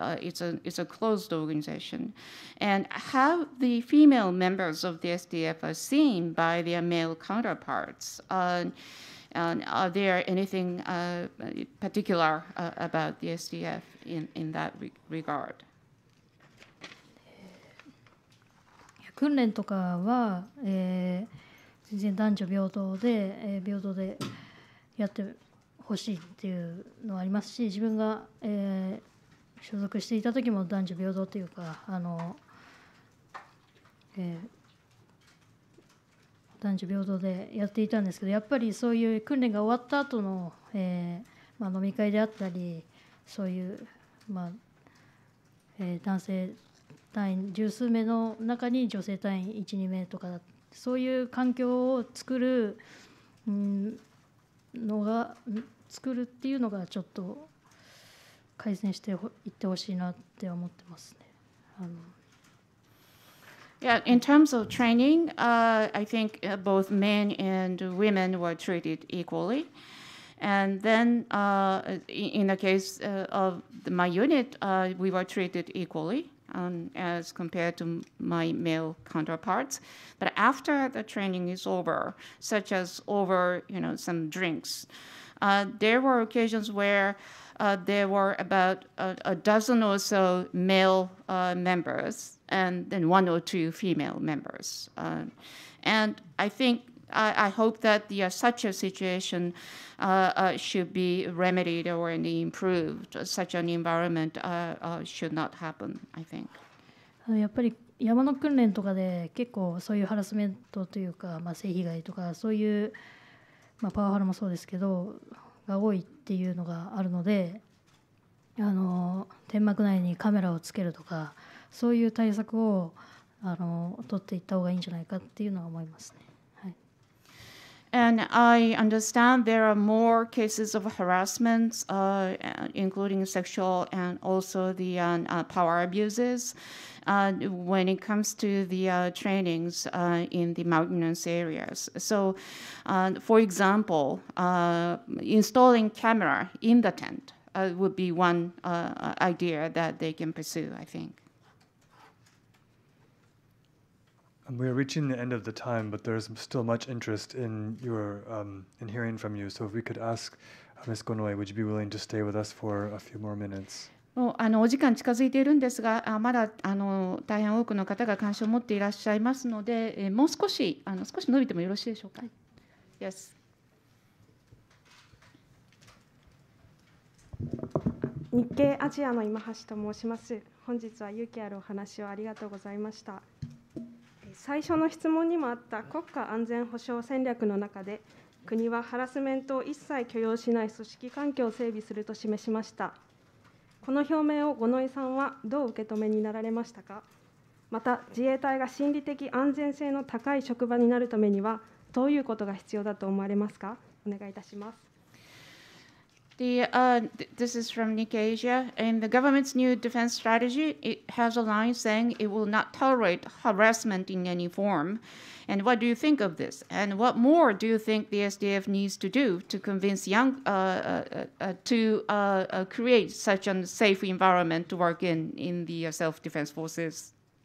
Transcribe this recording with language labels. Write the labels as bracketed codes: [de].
[en] It's a closed organization. And how the female members of the SDF are seen by their male counterparts, and are there anything particular about the SDF in that regard? [ja] 訓練とかは、全然男女平等で、平等でやって欲しいっていうのはありますし、自分が、所属していた時も男女平等というか、あの、男女平等でやっていたんですけど、やっぱりそういう訓練が終わった後の、まあ、飲み会であったり、そういう、まあ、男性隊員十数名の中に女性隊員1、2名とか、そういう環境を作る、のが作るっていうのがちょっと改善していってほしいなって思ってますね。あの、 [en] Yeah, in terms of training, I think both men and women were treated equally. And then in the case of my unit, we were treated equally as compared to my male counterparts. But after the training is over, such as over, you know, some drinks, there were occasions where there were about a dozen or so male members and then one or two female members. And I think, I hope that such a situation should be remedied or improved. Such an environment should not happen, I think. [ja] やっぱり山の訓練とかで結構そういうハラスメントというか、まあ、性被害とかそういう、まあ、パワハラもそうですけどが多いっていうのがあるので、あの天幕内にカメラをつけるとかそういう対策をあの取っていった方がいいんじゃないかっていうのは思いますね。はい。 [en] And I understand there are more cases of harassment, including sexual and also the power abuses, when it comes to the trainings in the mountainous areas. So, for example, installing camera in the tent would be one idea that they can pursue, I think. We are reaching the end of the time, but there's still much interest in your in hearing from you. So if we could ask Ms. Gonoi, would you be willing to stay with us for a few more minutes? [ja] もうあのお時間近づいているんですが、まだあの大変多くの方が関心を持っていらっしゃいますので、もう少しあの少し伸びてもよろしいでしょうか。はい、 [en] Yes. [ja] 日経アジアの今橋と申します。本日は勇気あるお話をありがとうございました。最初の質問にもあった国家安全保障戦略の中で、国はハラスメントを一切許容しない組織環境を整備すると示しました。この表明を五ノ井さんはどう受け止めになられましたか。また自衛隊が心理的安全性の高い職場になるためにはどういうことが必要だと思われますか。お願いいたします。 [en] This is from Nikkei Asia. In the government's new defense strategy, it has a line saying it will not tolerate harassment in any form. And what do you think of this? And what more do you think the SDF needs to do to convince young to create such a safe environment to work in the self-defense forces?